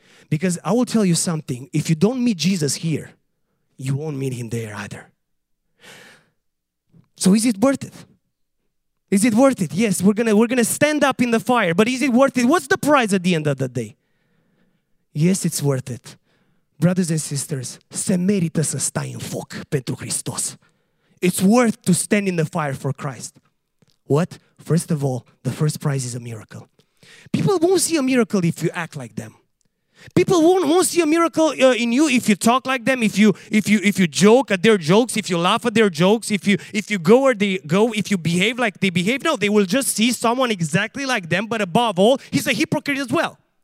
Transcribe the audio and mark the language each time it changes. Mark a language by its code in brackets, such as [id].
[en] Because I will tell you something, if you don't meet Jesus here, you won't meet him there either. So is it worth it? Is it worth it? Yes, we're gonna stand up in the fire, but is it worth it? What's the prize at the end of the day? Yes, it's worth it. Brothers and sisters, [ro] se merită să stai în foc pentru Hristos. [en] It's worth to stand in the fire for Christ. What? First of all, the first prize is a miracle. People won't see a miracle if you act like them. People won't see a miracle in you if you talk like them, if you joke at their jokes, if you laugh at their jokes, if you go where they go, if you behave like they behave. No, they will just see someone exactly like them, but above all, he's a hypocrite as well.